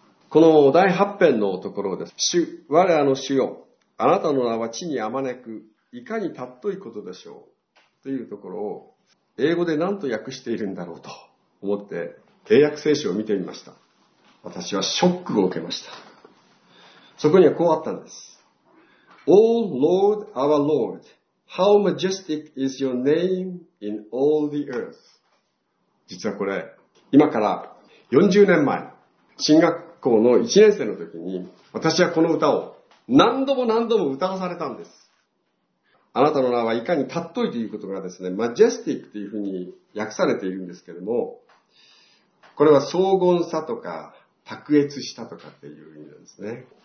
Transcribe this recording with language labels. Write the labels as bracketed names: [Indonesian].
[Japanese] この第8編のところです。主、我らの主よ、あなたの名は地にあまねく、いかに尊いことでしょうというところを英語で何と訳しているんだろうと思って英訳聖書を見てみました。私はショックを受けました。そこにはこうあったんです。 [English] O Lord, our Lord, how majestic is your name in all the earth. [Japanese] 実はこれ、今から40年前、進学校の1年生の時に、私はこの歌を何度も何度も歌わされたんです。あなたの名はいかに尊いということがですね、majestic というふうに訳されているんですけれども、これは荘厳さとか、卓越したとかっていう意味なんですね。